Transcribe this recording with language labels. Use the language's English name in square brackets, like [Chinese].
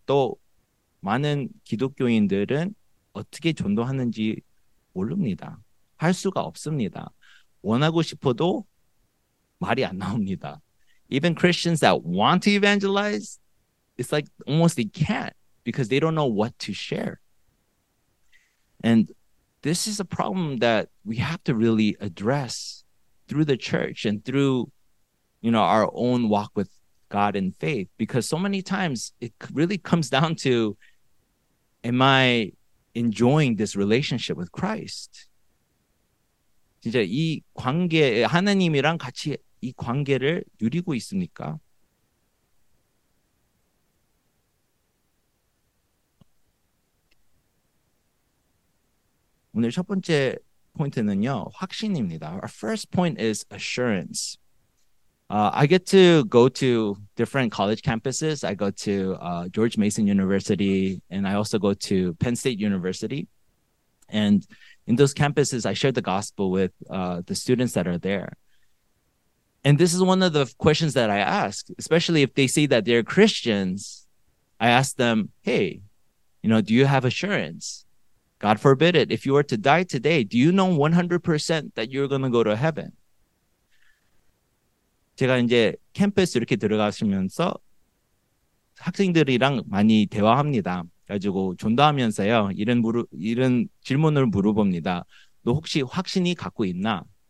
[Korean] 또 많은 기독교인들은 어떻게 전도하는지 모릅니다. 할 수가 없습니다. 원하고 싶어도 말이 안 나옵니다. [English] Even Christians that want to evangelize, it's like almost they can't because they don't know what to share. And this is a problem that we have to really address through the church and through, you know, our own walk with God and faith, because so many times it really comes down to, am I enjoying this relationship with Christ? [Korean] 진짜 이 관계, 하나님이랑 같이 이 관계를 누리고 있습니까? 오늘 첫 번째 포인트는요, 확신입니다. [English] Our first point is assurance. I get to go to different college campuses. I go to George Mason University, and I also go to Penn State University. And in those campuses, I share the gospel with the students that are there. And this is one of the questions that I ask, especially if they say that they're Christians. I ask them, hey, you know, do you have assurance? God forbid it. If you were to die today, do you know 100% that you're going to go to heaven? [Korean] 제가 이제 캠퍼스 이렇게 들어가시면서 학생들이랑 많이 대화합니다. 가지고 전도하면서요, 이런 질문을 물어봅니다. 너 혹시 확신이 갖고 있나?